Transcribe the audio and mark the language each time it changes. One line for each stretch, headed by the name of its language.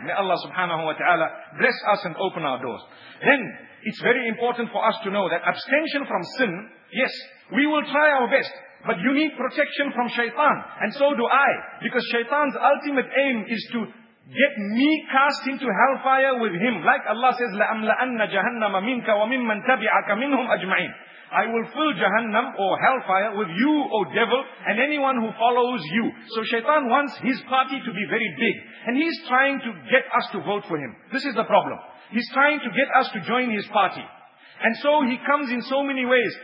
English: May Allah subhanahu wa ta'ala bless us and open our doors. Then it's very important for us to know that abstention from sin, yes, we will try our best. But you need protection from shaitan. And so do I. Because shaitan's ultimate aim is to get me cast into hellfire with him. Like Allah says,
Arabic: لَأَمْلَأَنَّ جَهَنَّمَ مِنْكَ وَمِمَّنْ تَبِعَكَ مِنْهُمْ أَجْمَعِينَ.
English: I will fill Jahannam or hellfire with you, O devil, and anyone who follows you. So shaitan wants his party to be very big. And he's trying to get us to vote for him. This is the problem. He's trying to get us to join his party. And so he comes in so many ways.